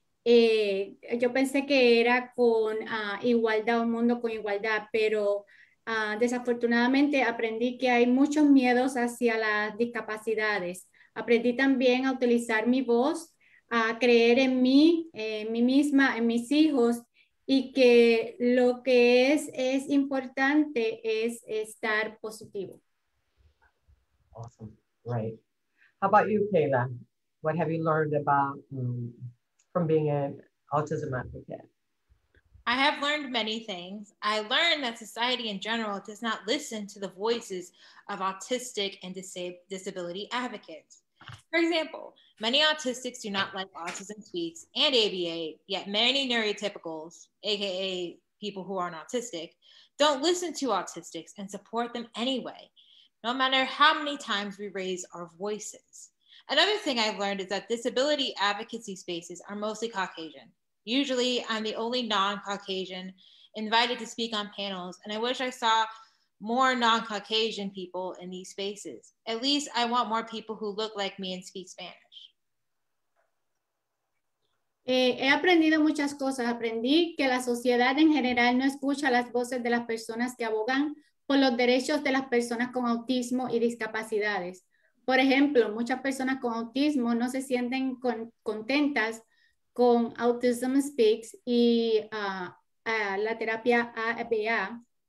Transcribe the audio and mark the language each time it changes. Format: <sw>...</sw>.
<es>Yo pensé que era con igualdad, un mundo con igualdad, pero desafortunadamente aprendí que hay muchos miedos hacia las discapacidades. Aprendí también a utilizar mi voz, a creer en mí misma, en mis hijos, y que lo que es importante es estar positivo.</es> <en>Awesome, great. How about you, Kayla? What have you learned about from being an autism advocate? I have learned many things. I learned that society in general does not listen to the voices of autistic and disability advocates. For example, many autistics do not like Autism Speaks and ABA, yet many neurotypicals, AKA people who aren't autistic, don't listen to autistics and support them anyway, no matter how many times we raise our voices. Another thing I've learned is that disability advocacy spaces are mostly Caucasian. Usually I'm the only non-Caucasian invited to speak on panels, and I wish I saw more non-Caucasian people in these spaces. At least I want more people who look like me and speak Spanish.</en> <es>He aprendido muchas cosas. Aprendí que la sociedad en general no escucha las voces de las personas que abogan por los derechos de las personas con autismo y discapacidades. Por ejemplo, muchas personas con autismo no se sienten contentas con Autism Speaks y la terapia ABA.</es>